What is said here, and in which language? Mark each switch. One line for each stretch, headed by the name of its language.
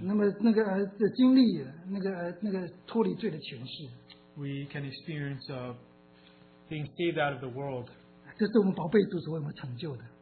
Chinese: 那么那个经历了那个脱离罪的权势。
English: We can experience being saved out of the world.
Chinese: 这是我们宝贝主所为我们成就的。